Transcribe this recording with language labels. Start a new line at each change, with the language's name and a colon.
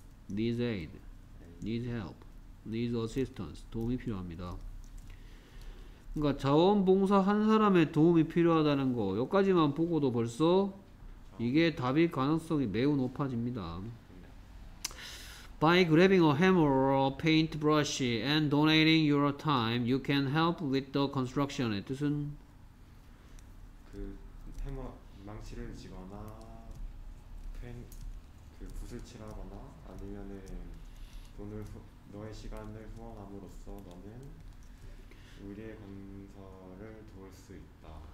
English: needs aid. needs help. needs assistance.
Korean: 도움이 필요합니다. 그러니까 자원봉사 한 사람의 도움이 필요하다는 거 여기까지만 보고도 벌써 이게 답일 가능성이 매우 높아집니다.
English: By grabbing a hammer or a paintbrush and donating your time, you can help with the construction.
Korean: 뜻은 그 해머 망치를 지거나 펜 그 붓을 칠하거나 아니면은 돈을 너의 시간을 후원함으로써 너는 우리의 건설을 도울 수 있다.